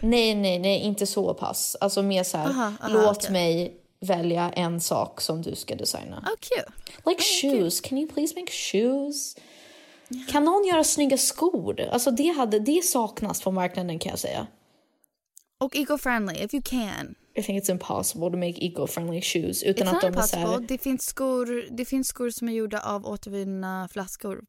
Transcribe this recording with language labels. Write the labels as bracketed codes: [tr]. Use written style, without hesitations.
[sv] Nej, inte så pass. Alltså mer så här, mig... välja en sak som du ska designa. [en] Oh, cute. Like shoes. Cute. Can you please make shoes? Yeah. [sv] Kan någon göra snygga skor? Alltså det saknas på marknaden, kan jag säga. [en] Och eco-friendly, if you can. I think it's impossible to make eco-friendly shoes. [sv] Det finns skor som är gjorda av återvinna flaskor.